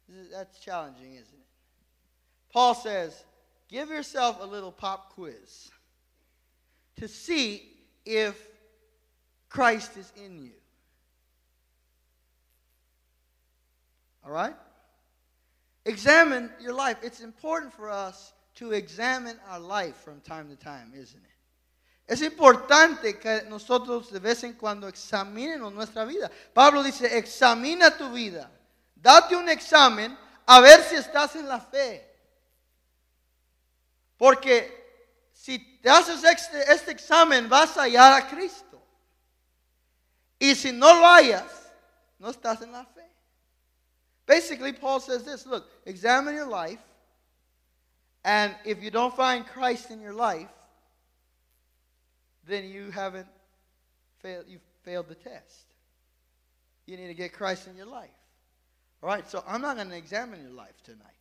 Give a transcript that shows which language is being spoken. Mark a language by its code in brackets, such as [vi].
[en] That's challenging, isn't it? Paul says, give yourself a little pop quiz to see if Christ is in you. All right? Examine your life. It's important for us to examine our life from time to time, isn't it? [es] Es importante que nosotros de vez en cuando examinemos nuestra vida. Pablo dice, examina tu vida. Date un examen a ver si estás en la fe. Porque si te haces este examen, vas a hallar a Cristo. Y si no lo hallas, no estás en la fe. [en] Basically, Paul says this, look, examine your life, and if you don't find Christ in your life, then you haven't failed, you've failed the test. You need to get Christ in your life. All right, so I'm not going to examine your life tonight.